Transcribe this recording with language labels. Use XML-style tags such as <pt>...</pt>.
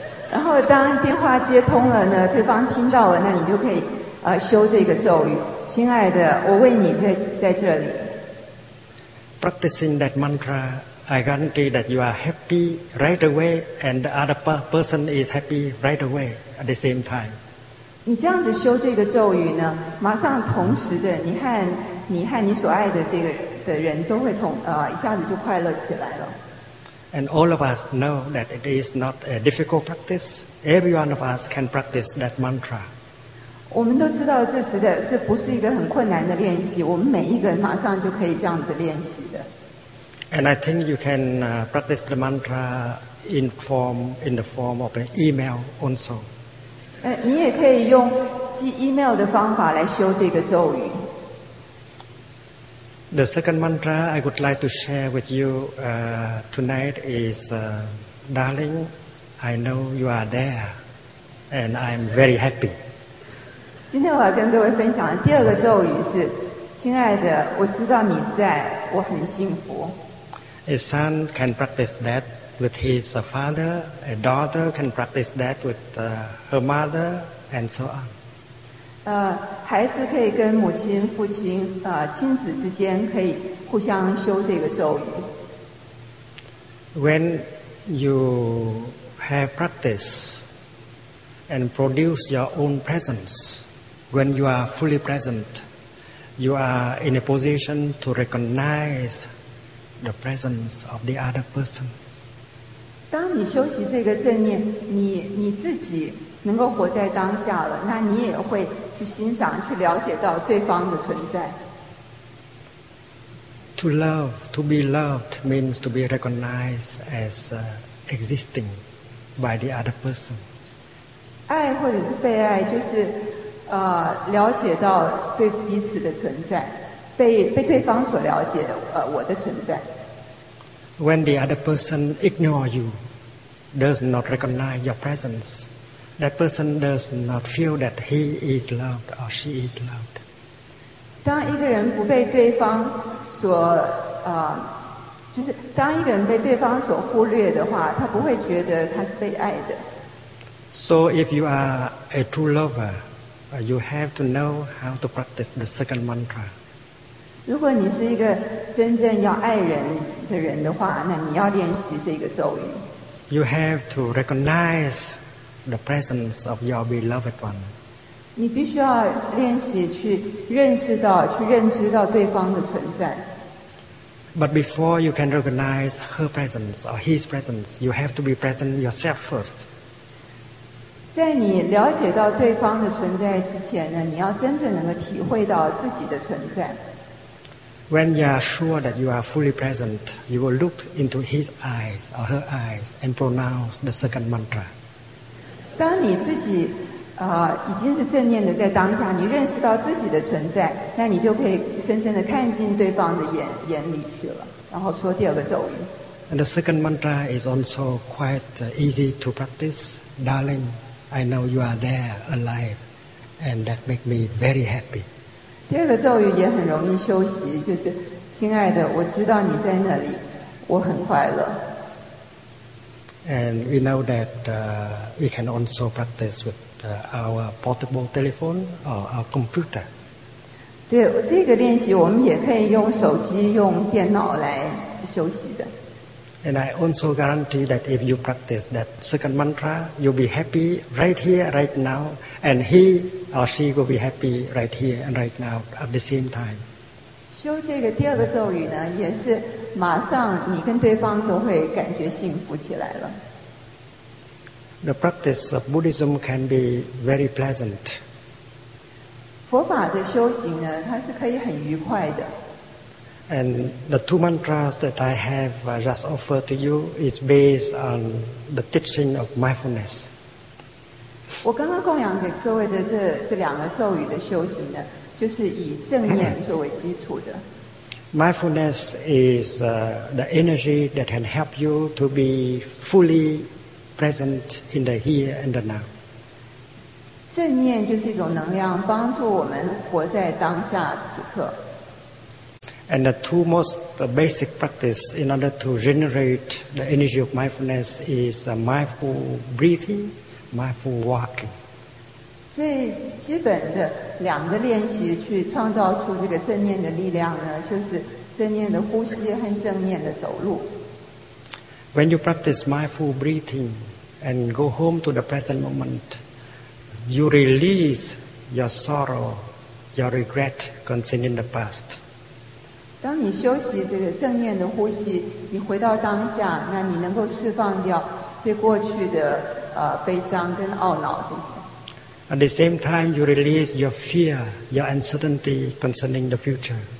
<zh>然后当电话接通了呢，对方听到了，那你就可以修这个咒语。亲爱的，我为你在这里。</zh> <en>Practicing that mantra, I guarantee that you are happy right away, and the other person is happy right away at the same time.</en> <zh>你这样子修这个咒语呢，马上同时的，你和你所爱的这个的人都会一下子就快乐起来了。</zh> <en>And all of us know that it is not a difficult practice. Every one of us can practice that mantra.</en> <zh>我们都知道这不是一个很困难的练习。我们每一个人马上就可以这样子练习的。</zh> <en>And I think you can practice the mantra in the form of an email also.</en> <zh>你也可以用寄 email 的方法来修这个咒语。</zh> <en>The second mantra I would like to share with you tonight is, "Darling, I know you are there, and I am very happy."</en> <zh>今天我要跟各位分享的第二个咒语是，亲爱的，我知道你在，我很幸福。</zh> <en>A son can practice that with his father. A daughter can practice that with her mother, and so on.</en> <zh>孩子可以跟母亲、父亲、亲子之间可以互相修这个咒语。</zh> <en>When you have practice and produce your own presence, when you are fully present, you are in a position to recognize the presence of the other person.</en> <zh>当你修习这个正念，你自己能够活在当下了，那你也会去欣赏、去了解到对方的存在。</zh> <en>To love, to be loved means to be recognized as existing by the other person.</en> <zh>爱或者是被爱，就是了解到对彼此的存在，被对方所了解，我的存在。</zh> <en>When the other person ignores you, does not recognize your presence, that person does not feel that he is loved or she is loved.</en> <zh>当一个人不被对方所就是当一个人被对方所忽略的话，他不会觉得他是被爱的。</zh> <en>So if you are a true lover, you have to know how to practice the second mantra.</en> <zh>如果你是一个真正要爱人的人的话，那你要练习这个咒语。</zh> <en>You have to recognize the presence of your beloved one.</en> <zh>你必须要练习去认识到、去认知到对方的存在。</zh> <en>But before you can recognize her presence or his presence, you have to be present yourself first.</en> <zh>在你了解到对方的存在之前呢，你要真正能够体会到自己的存在。</zh> <en>When you are sure that you are fully present, you will look into his eyes or her eyes and pronounce the second mantra.</en> <zh>当你自己已经是正念的在当下，你认识到自己的存在，那你就可以深深的看进对方的眼里去了，然后说第二个咒语。</zh> <en>And the second mantra is also quite easy to practice. Darling, I know you are there alive, and that makes me very happy.</en> <zh>第二个咒语也很容易修习，就是亲爱的，我知道你在那里，我很快乐。</zh> <en>And we know that we can also practice with our portable telephone or our computer.</en> <zh>对，这个练习我们也可以用手机、用电脑来修习的。</zh> <en>And I also guarantee that if you practice that second mantra, you'll be happy right here, right now, and he or she will be happy right here and right now at the same time.</en> <zh>修这个第二个咒语呢，也是马上你跟对方都会感觉幸福起来了。</zh> <en>The practice of Buddhism can be very pleasant.</en> <zh>佛法的修行呢，它是可以很愉快的。</zh> <en>And the two mantras that I have just offered to you is based on the teaching of mindfulness.</en> <zh>我刚刚供养给各位的这两个咒语的修行呢，就是以正念作为基础的。</zh> <en>Mindfulness is the energy that can help you to be fully present in the here and the now.</en> <zh>正念就是一种能量，帮助我们活在当下此刻。</zh> <en>And the two most basic practice in order to generate the energy of mindfulness is mindful breathing, mindful walking.</en> <zh>最基本的两个练习去创造出这个正念的力量呢，就是正念的呼吸和正念的走路。</zh> <en>When you practice mindful breathing and go home to the present moment, you release your sorrow, your regret concerning the past.</en> <zh>当你休息这个正念的呼吸，你回到当下，那你能够释放掉对过去的悲伤跟懊恼这些。</zh> <en>At the same time, you release your fear, your uncertainty concerning the future.</en>